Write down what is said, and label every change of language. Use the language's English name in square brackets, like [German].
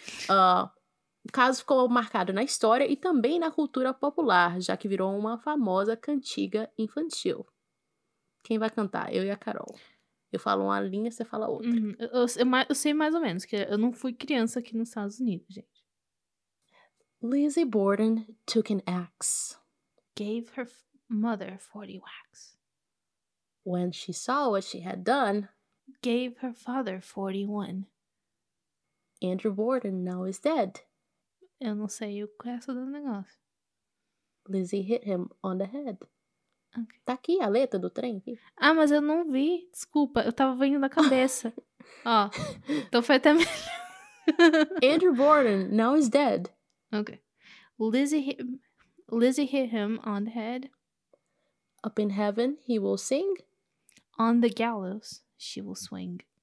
[Portuguese] O caso ficou marcado na história e também na cultura popular, já que virou uma famosa cantiga infantil. Quem vai cantar? Eu e a Carol. Eu falo uma linha, você fala outra. Eu sei mais ou menos, que eu não fui criança aqui nos Estados Unidos, gente. [English] Lizzie Borden took an axe. Gave her mother 40 wax. When she saw what she had done. Gave her father 41. Andrew Borden now is dead. [Portuguese] Eu não sei o resto do negócio. [English] Lizzie hit him on the head. Okay. [Portuguese] Tá aqui a letra do trem? Aqui. Ah, mas eu não vi. Desculpa, eu tava vendo na cabeça. Ó, então foi até melhor. [English] Andrew Borden now is dead. Ok. Lizzie hit him on the head. Up in heaven, he will sing. On the gallows, she will swing.